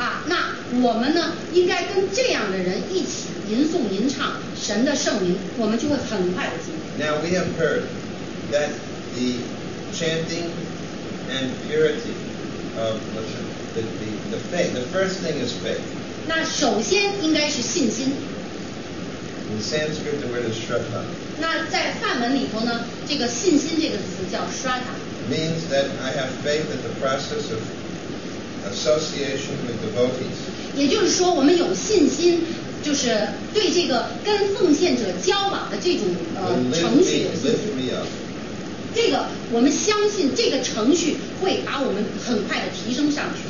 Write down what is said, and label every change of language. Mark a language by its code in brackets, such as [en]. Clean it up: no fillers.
[zh] 啊，那我们呢，应该跟这样的人一起吟诵吟唱神的圣名，我们就会很快的进步。 [en] Now we have heard that the chanting and purity of listen. The faith, the first thing is faith. [zh] 那首先应该是信心。 [en] In Sanskrit, the word is shraddha. [zh] 那在梵文里头呢，这个信心这个词叫 shraddha. [en] Means that I have faith that the process of association with devotees. [zh] 也就是说，我们有信心，就是对这个跟奉献者交往的这种程序有信心。这个我们相信这个程序会把我们很快的提升上去